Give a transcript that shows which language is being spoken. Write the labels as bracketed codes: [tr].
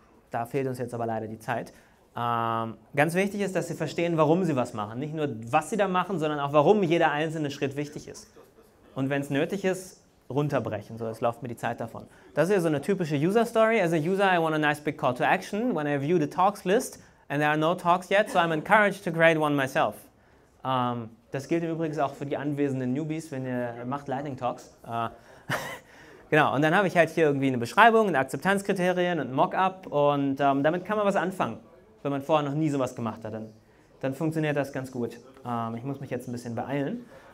[de] Da fehlt uns jetzt aber leider die Zeit. Ganz wichtig ist, dass sie verstehen, warum sie was machen. Nicht nur, was sie da machen, sondern auch, warum jeder einzelne Schritt wichtig ist. Und wenn es nötig ist, runterbrechen. So, jetzt läuft mir die Zeit davon. Das ist ja so eine typische User-Story. [en] As a user, I want a nice big call to action. When I view the talks list, and there are no talks yet, so I'm encouraged to create one myself. [de] Das gilt übrigens auch für die anwesenden Newbies, wenn ihr macht Lightning Talks. Genau, und dann habe ich halt hier irgendwie eine Beschreibung, ein Akzeptanzkriterien, ein Mockup und damit kann man was anfangen, wenn man vorher noch nie sowas gemacht hat. Dann funktioniert das ganz gut. Ich muss mich jetzt ein bisschen beeilen.